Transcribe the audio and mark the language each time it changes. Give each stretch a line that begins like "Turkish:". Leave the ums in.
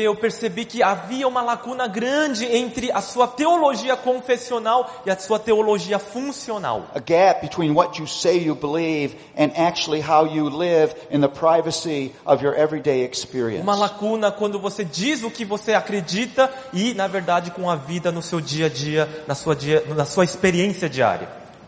Portuguese: eu percebi que havia uma lacuna grande entre a sua teologia confessional e a sua teologia funcional.
English: A gap between what you say you believe and actually how you live in the privacy of your everyday experience.
Portuguese: Uma lacuna quando você diz o que você acredita e na verdade com a vida no seu dia a dia, na sua, dia, na sua experiência diária.